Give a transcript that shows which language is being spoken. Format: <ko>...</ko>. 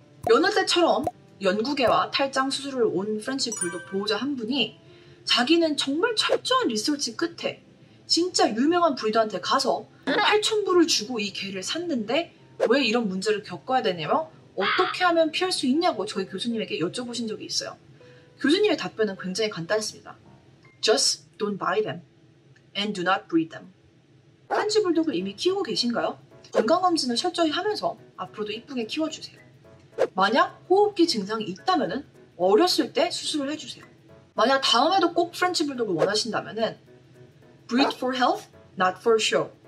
<ko>여느 때처럼 연구개와 탈장 수술을 온 프렌치 불독 보호자 한 분이 자기는 정말 철저한 리서치 끝에 진짜 유명한 브리더한테 가서 8,000불을 주고 이 개를 샀는데 왜 이런 문제를 겪어야 되냐며 어떻게 하면 피할 수 있냐고 저희 교수님에게 여쭤보신 적이 있어요. 교수님의 답변은 굉장히 간단했습니다.</ko> <en>Just don't buy them and do not breed them.</en> <ko>프렌치 불독을 이미 키우고 계신가요? 건강검진을 철저히 하면서 앞으로도 이쁘게 키워주세요. 만약 호흡기 증상이 있다면 어렸을 때 수술을 해주세요. 만약 다음에도 꼭 프렌치 불독을 원하신다면</ko> <en>Breed for health, not for show.</en>